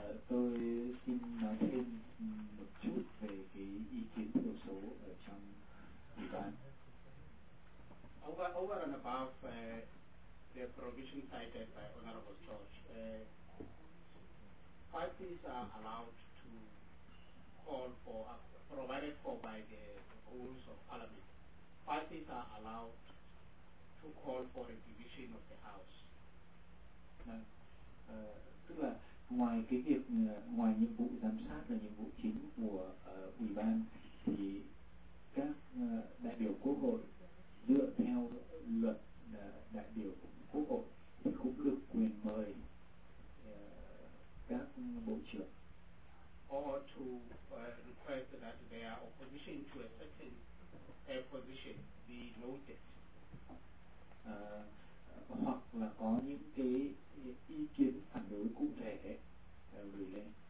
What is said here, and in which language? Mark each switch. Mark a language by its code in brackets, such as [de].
[vi] Tôi xin nói thêm một chút về cái ý kiến thiểu số ở trong ủy ban. [en] Over and above the provision cited by Honorable George, parties are allowed to call for, provided for by the rules of parliament. Parties are allowed to call for a division of the house. [vi] Tức là ngoài cái việc ngoài nhiệm vụ giám sát là nhiệm vụ chính của ủy ban thì các đại biểu quốc hội dựa theo luật đại biểu quốc hội thì cũng được quyền mời các bộ trưởng. [en] Or to request that their opposition to a certain position be noted. [vi] Hoặc là có những cái ý kiến phản đối cụ thể gửi lên.